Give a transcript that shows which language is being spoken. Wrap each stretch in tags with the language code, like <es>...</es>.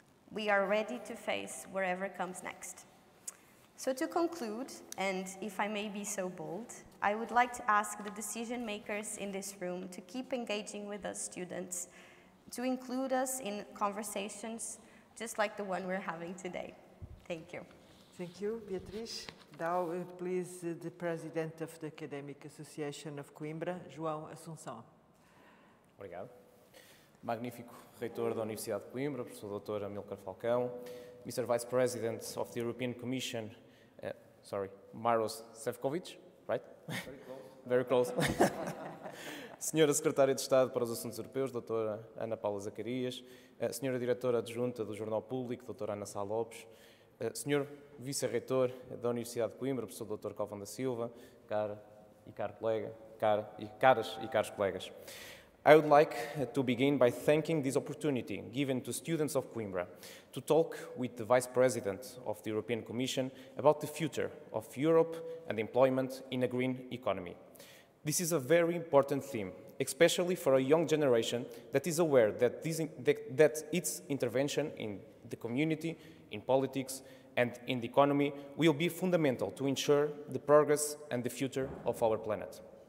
<en>We are ready to face whatever comes next. So to conclude, and if I may be so bold, I would like to ask the decision makers in this room to keep engaging with us students, to include us in conversations just like the one we're having today. Thank you. Thank you, Beatriz. Now, please, the president of the Academic Association of Coimbra, João Assunção.</en> <pt>Obrigado. Magnífico reitor da Universidade de Coimbra, professor doutor Amílcar Falcão, Mr.</pt> <en>Vice President of the European Commission, Maroš Šefčovič, right? Very close. Very close.</en> <pt>Senhora Secretária de Estado para os Assuntos Europeus, doutora Ana Paula Zacarias, Senhora Diretora Adjunta do Jornal Público, doutora Ana Sá Lopes, Senhor Vice-Reitor da Universidade de Coimbra, professor doutor Calvão da Silva, caras e caros colegas.</pt> <en>I would like to begin by thanking this opportunity given to students of Coimbra to talk with the Vice President of the European Commission about the future of Europe and employment in a green economy. This is a very important theme, especially for a young generation that is aware that that its intervention in the community, in politics, and in the economy will be fundamental to ensure the progress and the future of our planet.</en>